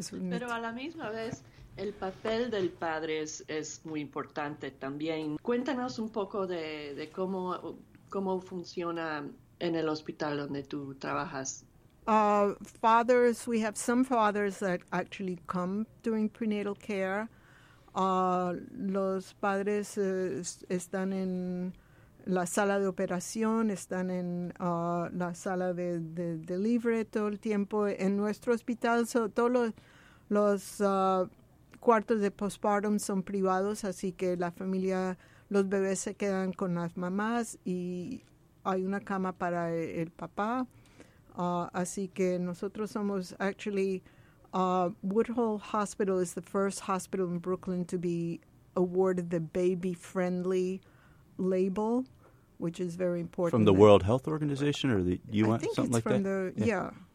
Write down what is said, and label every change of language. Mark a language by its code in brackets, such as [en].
[es] Pero a la misma vez, el papel del padre es muy importante también. Cuéntanos un poco de cómo funciona en el hospital donde tú trabajas. [en] Fathers, we have some fathers that actually come during prenatal care. [es] Los padres están en la sala de operación, están en la sala de delivery todo el tiempo. En nuestro hospital, todos los cuartos de postpartum son privados, así que la familia, los bebés se quedan con las mamás y hay una cama para el papá. Así que nosotros somos, [en] actually, Woodhull Hospital is the first hospital in Brooklyn to be awarded the baby-friendly label, which is very important. From the World Health Organization or the UN, something like that? I think it's from the, yeah.